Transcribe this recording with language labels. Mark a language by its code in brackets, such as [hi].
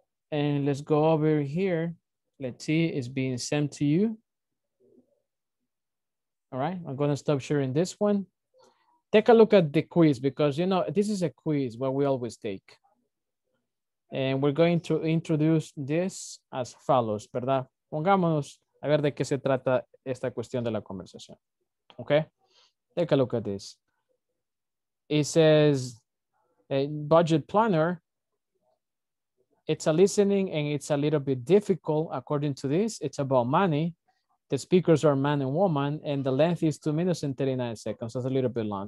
[en] And let's go over here. Let's see, it's being sent to you. All right, I'm going to stop sharing this one. Take a look at the quiz because, you know, this is a quiz where we always take. And we're going to introduce this as follows, ¿verdad? [es] Pongámonos a ver de qué se trata esta cuestión de la conversación. [en] Okay? Take a look at this. It says, a budget planner, it's a listening and it's a little bit difficult according to this. It's about money. The speakers are man and woman, and the length is 2 minutes and 39 seconds. That's a little bit long.